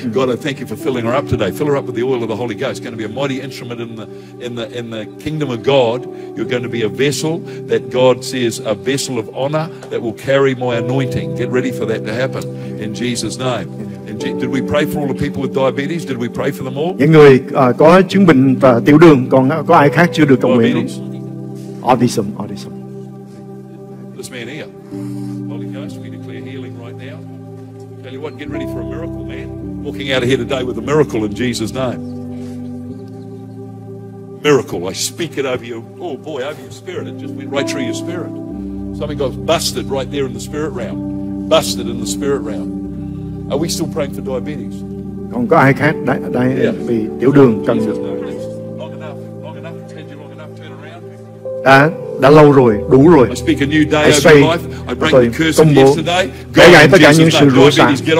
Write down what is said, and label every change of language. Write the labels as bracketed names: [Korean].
[English] God, I thank you for filling her up today. Fill her up with the oil of the Holy Ghost. It's going to be a mighty instrument in the kingdom of God. You're going to be a vessel that God says, a vessel of honor that will carry my anointing. Get ready for that to happen in Jesus' name. Did we pray for all the people with diabetes? Did we pray for them all? [Vietnamese] Những người có chứng bệnh và tiểu đường, còn có ai khác chưa được cầu nguyện không? [English] Autism, autism. This man here. Holy Ghost, we declare healing right now. Tell you what, get ready for a miracle, man. Walking out of here today with a miracle in Jesus' name. Miracle, I speak it over you. Oh boy, over your spirit. It just went right through your spirit. Something got busted right there in the spirit realm. Busted in the spirit realm. Are we still praying for diabetes? [Vietnamese] Còn có ai khác đây đây vì tiểu đường cần được. [English] Long enough, turn around. [Vietnamese] đã lâu rồi, đủ rồi. Hãy xoay, tôi công bố, bẻ gãy tất cả những sự rủa sả.